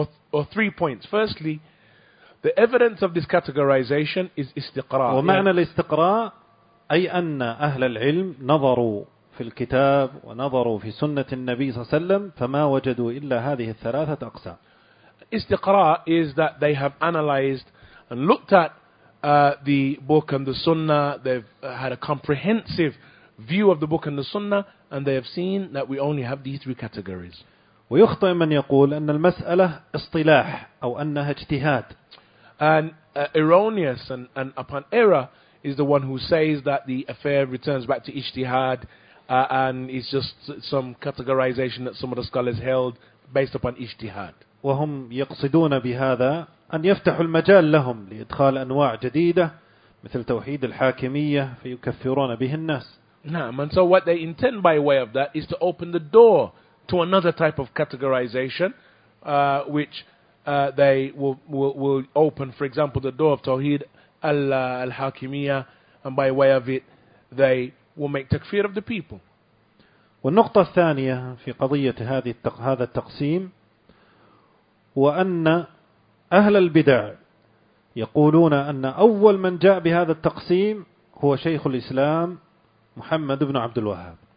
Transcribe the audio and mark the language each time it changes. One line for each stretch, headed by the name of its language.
English: Or three points. Firstly, the evidence of this categorization is istiqra.
Arabic: ومعنى الاستقراء أي أن أهل العلم نظروا في الكتاب ونظروا في سنة النبي صلى الله عليه وسلم فما وجدوا إلا هذه الثلاثة أقسام.
English: استقراء is that they have analyzed and looked at the book and the sunnah. They've had a comprehensive view of the book and the sunnah, and they have seen that we only have these three categories.
Arabic: ويخطئ من يقول أن المسألة اصطلاح أو أنها اجتهاد.
English: And erroneous and upon error is the one who says that the affair returns back to ijtihad and is just some categorization that some of the scholars held based upon ijtihad.
Arabic: وهم يقصدون بهذا أن يفتحوا المجال لهم لإدخال أنواع جديدة مثل توحيد الحاكمية فيكفرون به الناس. نعم.
English: And so what they intend by way of that is to open the door to another type of categorization which they will open, for example, the door of Tawheed al-Hakimiyya, and by way of it, they will make takfir of the people.
Arabic: والنقطة الثانية في قضية هذا التقسيم هو أن أهل البدع يقولون أن أول من جاء بهذا التقسيم هو شيخ الإسلام محمد بن عبد الوهاب.